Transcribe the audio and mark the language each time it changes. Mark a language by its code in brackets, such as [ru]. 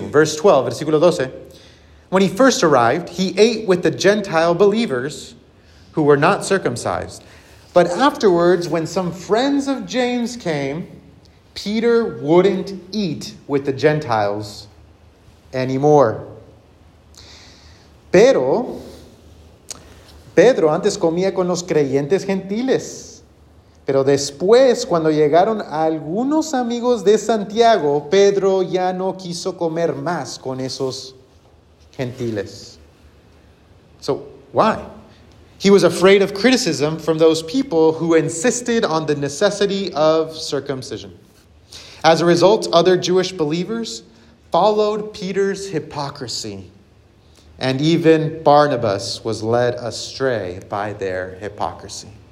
[en] Verse 12, [es] versículo 12. [en] When he first arrived, he ate with the Gentile believers who were not circumcised. But afterwards, when some friends of James came, Peter wouldn't eat with the Gentiles anymore. [es] Pero Pedro antes comía con los creyentes gentiles. Pero después, cuando llegaron algunos amigos de Santiago, Pedro ya no quiso comer más con esos gentiles. [en] So, why? He was afraid of criticism from those people who insisted on the necessity of circumcision. As a result, other Jewish believers followed Peter's hypocrisy, and even Barnabas was led astray by their hypocrisy.